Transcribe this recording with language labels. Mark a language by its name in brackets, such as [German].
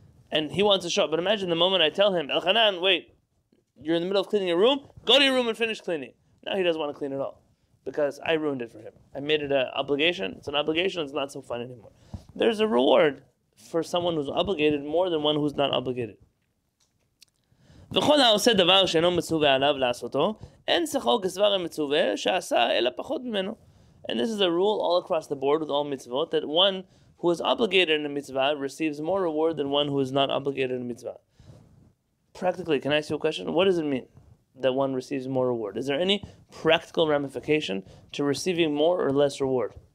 [English] And he wants to show up. But imagine the moment I tell him, Elchanan, wait, you're in the middle of cleaning your room? Go to your room and finish cleaning. Now he doesn't want to clean at all, because I ruined it for him. I made it an obligation. It's an obligation. It's not so fun anymore. There's a reward for someone who's obligated more than one who's not obligated. [Hebrew] וכל העושה דבר שאינו מצווה עליו לעשותו, אין שכר כסבר המצווה שעשה אלא פחות ממנו. [English] And this is a rule all across the board with all mitzvot, that one who is obligated in a mitzvah receives more reward than one who is not obligated in a mitzvah. Practically, can I ask you a question? What does it mean that one receives more reward? Is there any practical ramification to receiving more or less reward?